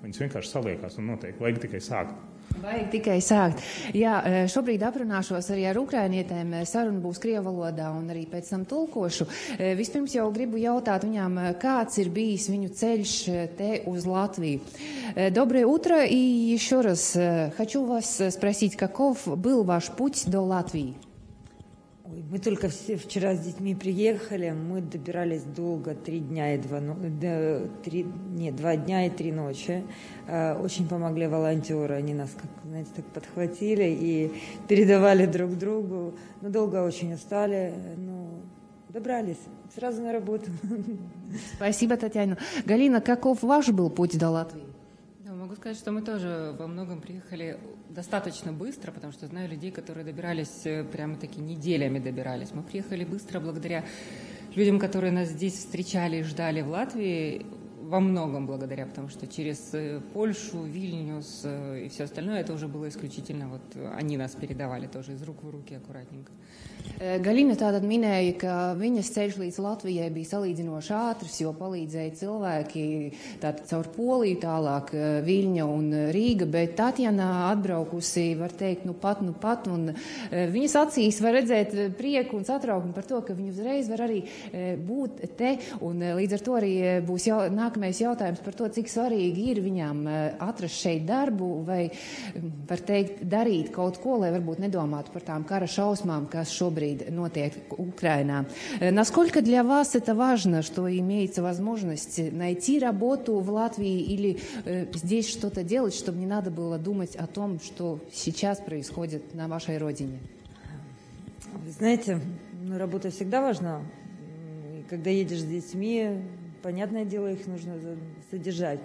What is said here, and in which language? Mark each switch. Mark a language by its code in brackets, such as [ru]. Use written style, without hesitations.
[lv] Viņas vienkārši saliekās un notiek. Vajag tikai sākt. Vajag tikai sākt. Jā, šobrīd aprunāšos arī ar ukrainietēm. Saruna būs krievu valodā un arī pēc tam tulkošu. Vispirms jau gribu jautāt viņām, kāds ir bijis viņu ceļš te uz Latviju. [ru] Dobre utro i ešte raz хочу вас спросить, каков был ваш путь до Латвии? Мы только все вчера с детьми приехали, мы добирались долго, два дня и три ночи. Очень помогли волонтеры, они нас, как, знаете, так подхватили и передавали друг другу. Но долго очень устали, но добрались сразу на работу. Спасибо, Татьяна. Галина, каков ваш был путь до Латвии? Могу сказать, что мы тоже во многом приехали достаточно быстро, потому что знаю людей, которые добирались, прямо-таки неделями добирались. Мы приехали быстро благодаря людям, которые нас здесь встречали и ждали в Латвии, во многом благодаря, потому что через Польшу, Вильнюс и все остальное, это уже было исключительно, вот они нас передавали тоже из рук в руки аккуратненько. [lv] Galina tātad minēja, ka viņas ceļš līdz Latvijai bija salīdzinoši ātrs, jo palīdzēja cilvēki tātad caur Poliju, tālāk Viļņa un Rīga, bet Tatjana atbraukusi, var teikt, nu pat, un viņas acīs var redzēt prieku un satraukumu par to, ka viņa uzreiz var arī būt te, un līdz ar to arī būs nākamais jautājums par to, cik svarīgi ir viņām atrast šeit darbu, vai var teikt, darīt kaut ko, lai varbūt nedomātu par tām kara šausmām, kas шобрид нотек Украина. [ru] Насколько для вас это важно, что имеется возможность найти работу в Латвии или здесь что-то делать, чтобы не надо было думать о том, что сейчас происходит на вашей родине? Вы знаете, работа всегда важна. Когда едешь с детьми, понятное дело, их нужно содержать.